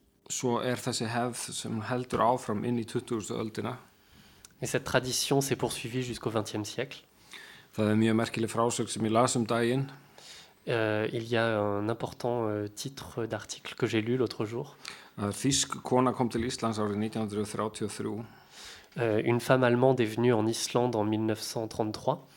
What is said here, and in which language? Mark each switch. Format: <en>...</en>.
<is>Svo þessi hefð sem heldur áfram inn í 20. öldina.</is> <fr>Et cette tradition s'est poursuivie jusqu'au 20e siècle.</fr> <is>Það mjög merkileg frásögn sem ég las daginn.</is> <fr>Il y a un important titre d'article que j'ai lu l'autre jour.</fr> <is>Þýsk kona kom til Íslands árið 1933.</is> <fr>Une femme allemande est venue en Islande en 1933.</fr>